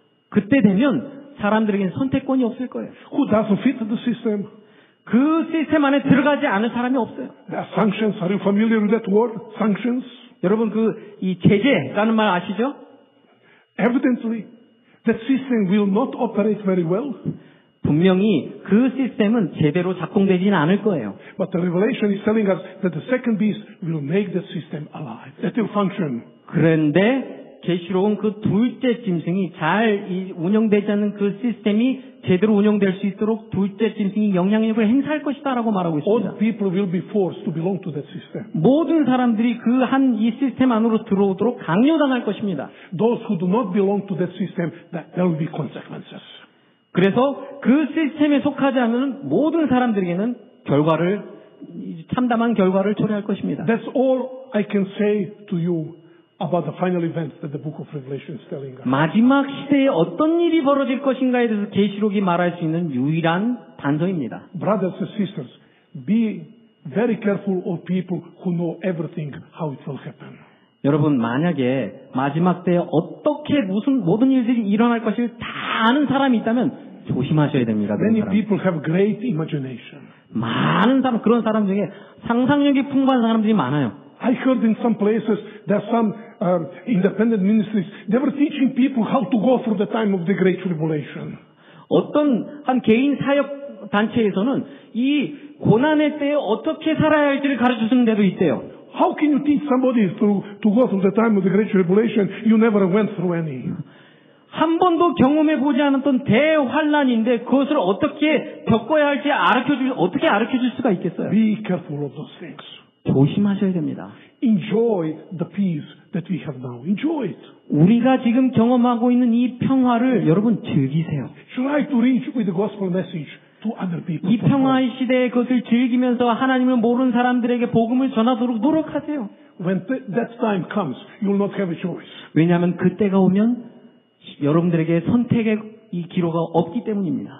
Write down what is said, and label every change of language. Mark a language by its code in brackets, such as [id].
[ko] 그때 되면 사람들에게는 선택권이 없을 거예요. [en] Who doesn't fit the system? [ko] 그 시스템 안에 들어가지 않을 사람이 없어요. [en] There are sanctions. Are you familiar with that word? Sanctions. [ko] 여러분 그 이 제재라는 말 아시죠? [en] Evidently, that system will not operate very well. [ko] 분명히 그 시스템은 제대로 작동되지는 않을 거예요. [en] But the revelation is telling us that the second beast will make the system alive. That will function. [ko] 그런데 계시록은 그 둘째 짐승이 잘 운영되지 않는 그 시스템이 제대로 운영될 수 있도록 둘째 짐승이 영향력을 행사할 것이다라고 말하고 있습니다. [en] All people will be forced to belong to that system. [ko] 모든 사람들이 그 한 이 시스템 안으로 들어오도록 강요당할 것입니다. [en] Those who do not belong to that system, there will be consequences. [ko] 그래서 그 시스템에 속하지 않으면 모든 사람들에게는 결과를 참담한 결과를 초래할 것입니다. [en] That's all I can say to you about the final events that the book of Revelation is telling us. [ko] 마지막 시대에 어떤 일이 벌어질 것인가에 대해서 계시록이 말할 수 있는 유일한 단서입니다. [en] Brothers and sisters, be very careful of people who know everything how it will happen. [ko] 여러분 만약에 마지막 때에 어떻게 무슨 모든 일들이 일어날 것을 다 아는 사람이 있다면 조심하셔야 됩니다. [en] Many people have great imagination. [ko] 많은 사람 그런 사람 중에 상상력이 풍부한 사람들이 많아요. [en] I heard in some places that some independent ministries they were teaching people how to go through the time of the great tribulation. [ko] 어떤 한 개인 사역 단체에서는 이 고난의 때에 어떻게 살아야 할지를 가르쳐 주는 데도 있대요. [en] How can you teach somebody to go through the time of the great tribulation? You never went through any. [ko] 한 번도 경험해 보지 않았던 대환난인데 그것을 어떻게 겪어야 할지 어떻게 알려 줄 수가 있겠어요? [en] Be careful of those things. [ko] 조심하셔야 됩니다. [en] Enjoy the peace that we have now. Enjoy it. [ko] 우리가 지금 경험하고 있는 이 평화를 여러분 즐기세요. [en] Try to reach with the gospel message. To other people. [ko] 이 평화의 시대에 그것을 즐기면서 하나님을 모르는 사람들에게 복음을 전하도록 노력하세요. [en] When that time comes, you'll not have a choice. [ko] 왜냐하면 그때가 오면 여러분들에게 선택의 이 기로가 없기 때문입니다.